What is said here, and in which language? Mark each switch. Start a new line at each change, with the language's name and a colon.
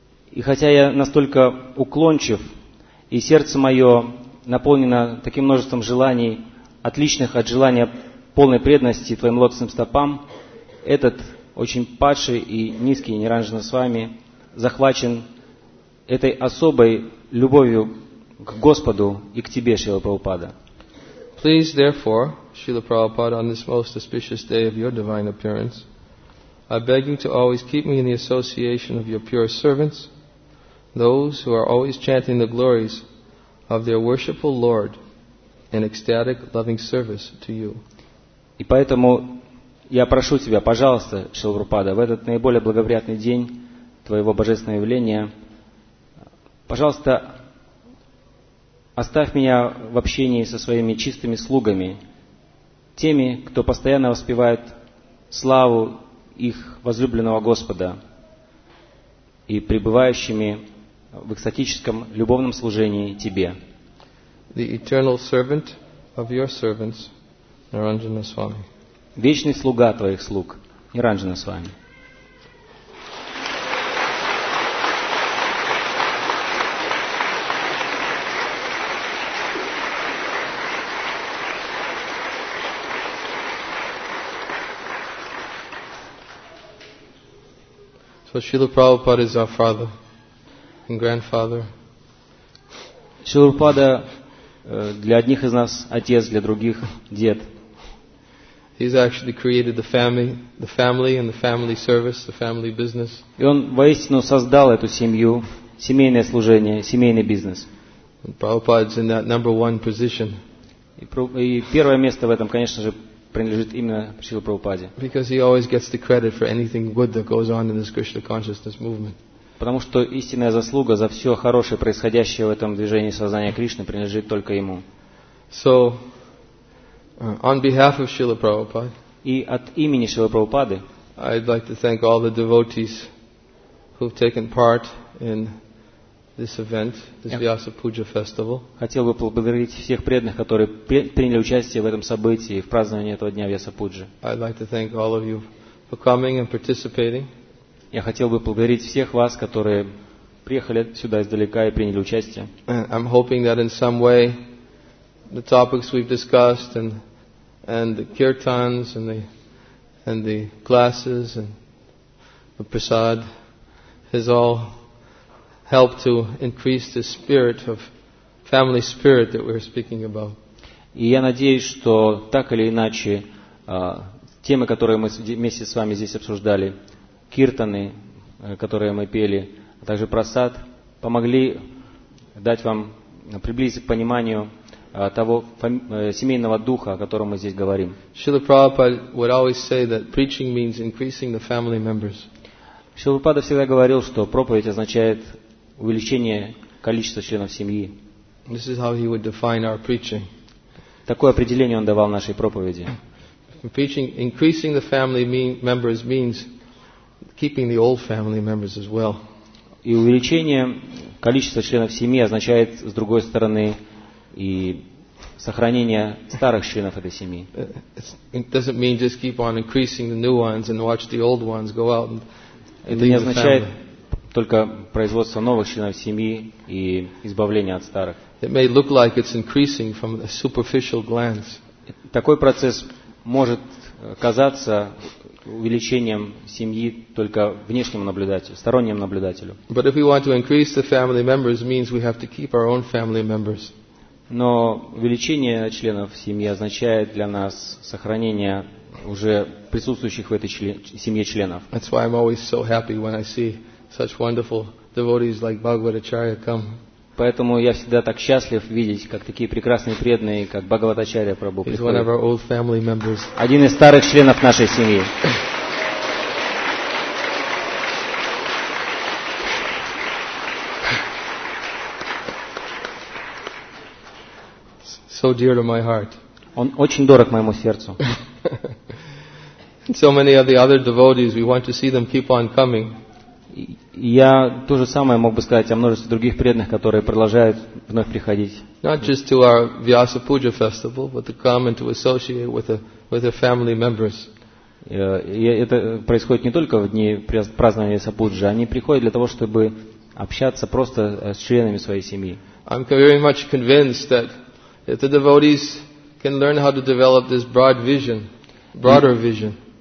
Russian: И хотя я настолько уклончив, и сердце мое наполнено таким множеством желаний, отличных от желания полной преданности твоим лотосным стопам, этот очень падший и низкий Ниранджана Свами захвачен этой особой любовью к Господу и к тебе, Шрила Прабхупада.
English: Please, therefore, Srila Prabhupada, on this most auspicious day of your divine appearance, I beg you to always keep me in the association of your pure servants, those who are always chanting the glories of their worshipful Lord in ecstatic loving service to you.
Russian: И поэтому я прошу тебя, пожалуйста, Шрила Прабхупада, в этот наиболее благоприятный день твоего божественного явления, пожалуйста, оставь меня в общении со своими чистыми слугами, теми, кто постоянно воспевает славу их возлюбленного Господа и пребывающими в экстатическом любовном служении тебе.
English: The eternal servant of your servants, Niranjana Swami.
Russian: Вечный слуга твоих слуг, Ниранджана Свами.
English: So Srila Prabhupada is our father and grandfather.
Russian: Srila Prabhupada для одних из нас отец, для других дед.
English: He's actually created the family and the family service, the family business.
Russian: И он воистину создал эту семью, семейное служение, семейный бизнес.
English: And Prabhupada's in that number one position.
Russian: И первое место в этом, конечно же, принадлежит именно Шриле Прабхупаде.
English: Because he always gets the credit for anything good that goes on in this Krishna consciousness movement.
Russian: Потому что истинная заслуга за все хорошее происходящее в этом движении сознания Кришны принадлежит только ему.
English: So, on behalf of Srila Prabhupada,
Russian: и от имени Шрилы Прабхупады,
English: I'd like to thank all the devotees who've taken part in this event, this Vyasa Puja festival.
Russian: Хотел бы поблагодарить всех преданных, которые приняли участие в этом событии, в праздновании этого дня Вьяса Пуджи.
English: I'd like to thank all of you for coming and participating.
Russian: Я хотел бы поблагодарить всех вас, которые приехали сюда издалека и приняли участие.
English: I'm hoping that in some way the topics we've discussed and the kirtans and the classes and the prasad has all helped to increase the spirit of family spirit that we're speaking about.
Russian: И я надеюсь, что так или иначе темы, которые мы вместе с вами здесь обсуждали, киртаны, которые мы пели, а также прасад, помогли дать вам приблизить к пониманию того семейного духа, о котором мы здесь говорим.
English: Шрила Прабхупада would always say that preaching means increasing the family members.
Russian: Шрила Прабхупада всегда говорил, что проповедь означает увеличение количества членов семьи.
English: This is how he would define our preaching.
Russian: Такое определение он давал нашей проповеди.
English: Preaching, increasing the family members means keeping the old family members as well.
Russian: И увеличение количества членов семьи означает, с другой стороны, и сохранение старых членов этой семьи.
English: It doesn't mean just keep on increasing the new ones and watch the old ones go out and leave the family.
Russian: Только производство новых членов семьи и избавление от старых.
English: It may look like it's increasing from a superficial glance.
Russian: Такой процесс может казаться увеличением семьи только внешнему наблюдателю, стороннему наблюдателю.
English: But if we want to increase the family members, means we have to keep our own family members.
Russian: Но увеличение членов семьи означает для нас сохранение уже присутствующих в этой семье членов.
English: That's why I'm always so happy when I see such wonderful devotees like Bhagavad Acharya come.
Russian: Поэтому я всегда так счастлив видеть, как такие прекрасные преданные, как Бхагават Ачарья Прабху приходят.
English: He's one of our old family members.
Russian: Один из старых членов нашей семьи.
English: So dear to my heart.
Russian: Он очень дорог моему сердцу.
English: So many of the other devotees, we want to see them keep on coming.
Russian: Я то же самое мог бы сказать о множестве других преданных, которые продолжают вновь приходить.
English: Not just to our Vyasa Puja festival, but to come and to associate with the family members.
Russian: Это происходит не только в дни празднования Vyasa Puja, они приходят для того, чтобы общаться просто с членами своей семьи.
English: I'm very much convinced that if the devotees can learn how to develop this broad vision, broader vision.